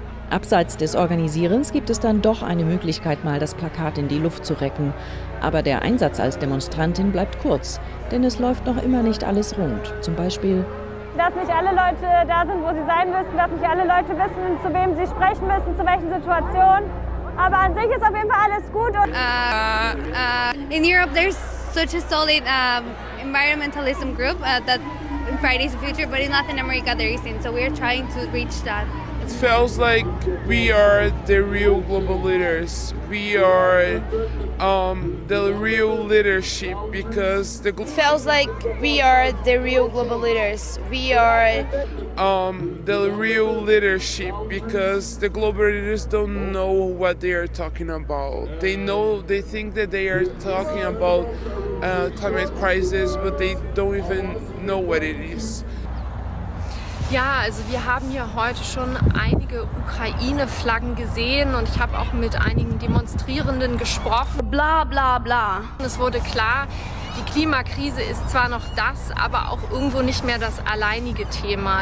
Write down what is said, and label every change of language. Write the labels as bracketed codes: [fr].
[de] Abseits des Organisierens gibt es dann doch eine Möglichkeit, mal das Plakat in die Luft zu recken. Aber der Einsatz als Demonstrantin bleibt kurz, denn es läuft noch immer nicht alles rund. Zum Beispiel, dass nicht alle Leute da sind, wo sie sein müssen, dass nicht alle Leute wissen, zu wem sie sprechen müssen, zu welchen Situationen. Aber an sich ist auf jeden Fall alles gut. [en] In Europe there's such a solid environmentalism group that Fridays for Future, but in Latin America there isn't. So we're trying to reach that. It feels like we are the real global leaders. We are the real leadership because the. It feels like we are the real global leaders. We are The real leadership because the global leaders don't know what they are talking about. They think that they are talking about climate crisis, but they don't even know what it is. [de] Ja, also wir haben hier heute schon einige Ukraine-Flaggen gesehen und ich habe auch mit einigen Demonstrierenden gesprochen. Bla bla bla. Es wurde klar, die Klimakrise ist zwar noch das, aber auch irgendwo nicht mehr das alleinige Thema.